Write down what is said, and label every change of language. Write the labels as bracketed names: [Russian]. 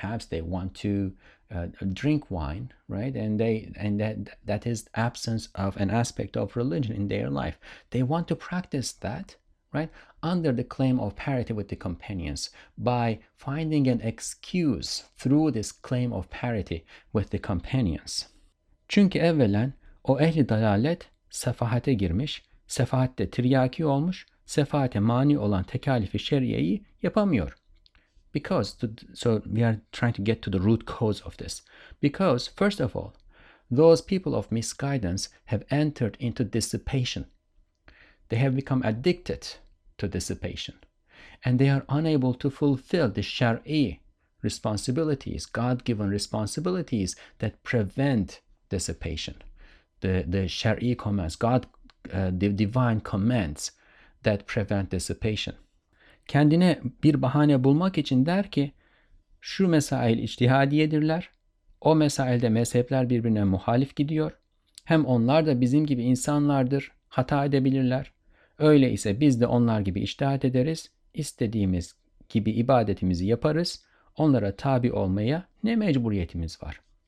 [English] They want to drink wine, right? And that is absence of an aspect of religion in their life. They want to practice that, right, under the claim of parity with the companions, by finding an excuse through this claim of parity with the companions. [Turkish] Çünkü evvelen o ehli dalalet sefahate girmiş, sefahatte tiryaki olmuş, sefahate mani olan tekalifi şeriyeyi yapamıyor. [English] So we are trying to get to the root cause of this. Because, first of all, those people of misguidance have entered into dissipation. They have become addicted to dissipation, and they are unable to fulfill the Shar'i responsibilities, God-given responsibilities that prevent dissipation. The Shar'i commands, divine commands that prevent dissipation. [Turkish] Kendine bir bahane bulmak için der ki, şu mesail içtihadiyedirler, o mesailde mezhepler birbirine muhalif gidiyor, hem onlar da bizim gibi insanlardır, hata edebilirler. Öyleyse biz de onlar gibi içtihat ederiz, istediğimiz gibi ibadetimizi yaparız, onlara tabi olmaya ne mecburiyetimiz var.